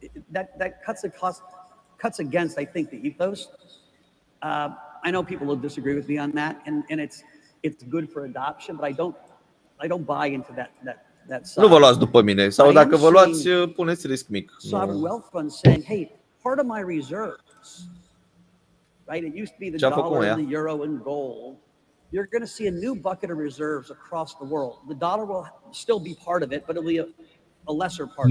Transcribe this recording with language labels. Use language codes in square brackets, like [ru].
[en] That cuts the cost, cuts against, I think, the ethos. I know people will disagree with me on that, and it's good for adoption, but I don't buy into that side. [ro] Nu vă luați după mine, sau dacă vă luați, puneți risc mic. [en] Sovereign wealth funds saying, hey, part of my reserves, right? It used to be the dollar and the euro and gold. You're going to see a new bucket of reserves across the world. The dollar will still be part of it, but it'll be a lesser part.